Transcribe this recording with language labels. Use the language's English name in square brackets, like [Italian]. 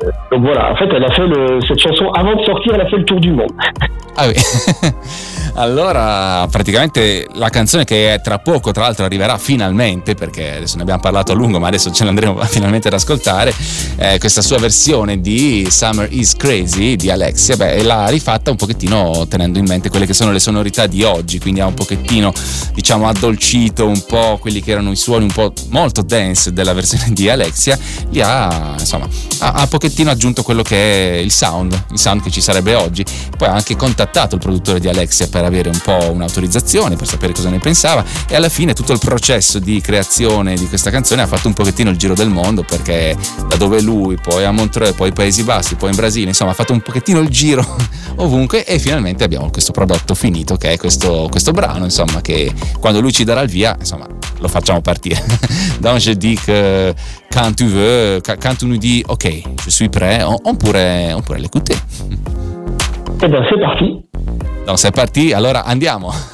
[French] Donc voilà, en fait elle a fait cette chanson avant de sortir, elle a fait le tour du monde. Ah oui. [Italian] Allora, praticamente la canzone che tra poco, tra l'altro, arriverà finalmente, perché adesso ne abbiamo parlato a lungo, ma adesso ce l'andremo finalmente ad ascoltare, questa sua versione di Summer is Crazy di Alexia, l'ha rifatta un pochettino tenendo in mente quelle che sono le sonorità di oggi, quindi ha un pochettino, diciamo, addolcito un po' quelli che erano i suoni un po' molto dance della versione di Alexia, li ha, insomma, ha un pochettino aggiunto quello che è il sound che ci sarebbe oggi. Poi ha anche contattato il produttore di Alexia per avere un po' un'autorizzazione, per sapere cosa ne pensava, e alla fine tutto il processo di creazione di questa canzone ha fatto un pochettino il giro del mondo, perché da dove lui, poi a Montreux, poi ai Paesi Bassi, poi in Brasile, insomma ha fatto un pochettino il giro ovunque, e finalmente abbiamo questo prodotto finito, che è questo brano, insomma, che quando lui ci darà il via, insomma, lo facciamo partire. [French] Donc je dis que quand tu veux, quand tu nous dis ok, je suis prêt, oppure l'écoutez. Eh bien, c'est parti. Donc, c'est parti, alors andiamo.